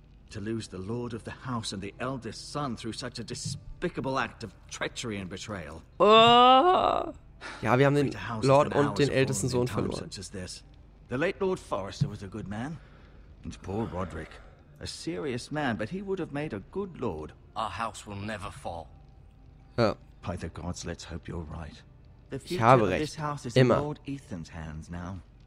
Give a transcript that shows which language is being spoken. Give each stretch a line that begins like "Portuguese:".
English: To lose the lord of the house and the eldest son through such a despicable act of treachery and betrayal.
German: Ja, wir haben den Lord und den ältesten Sohn verloren.
English: The late Lord Forrester was a good man. And poor Roderick. A serious man, but he would have made a good lord. Our house will never fall. Oh. By the gods, let's hope you're right.
German: Ich habe recht. Immer. Lord
English: Ethan's hands now.